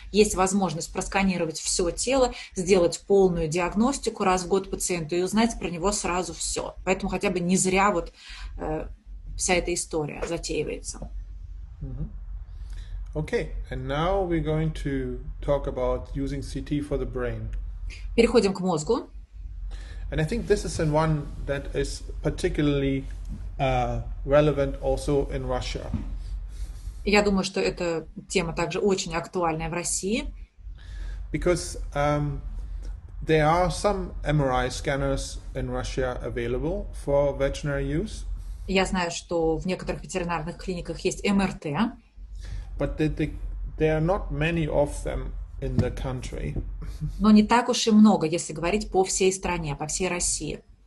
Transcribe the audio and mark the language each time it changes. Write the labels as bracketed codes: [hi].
[ru] Есть возможность просканировать все тело, сделать полную диагностику раз в год пациенту и узнать про него сразу все. Поэтому хотя бы не зря вот вся эта история затеивается. [en] Okay, and now we're going to talk about using CT for the brain. [ru] Переходим к мозгу. [en] And I think this is one that is particularly relevant also in Russia. [ru] Я думаю, что эта тема также очень актуальная в России. [en] Because there are some MRI scanners in Russia available for veterinary use. [ru] Я знаю, что в некоторых ветеринарных клиниках есть МРТ. [en] But there are not many of them in the country. [ru] Но не так уж и много, если говорить по всей стране, по всей России.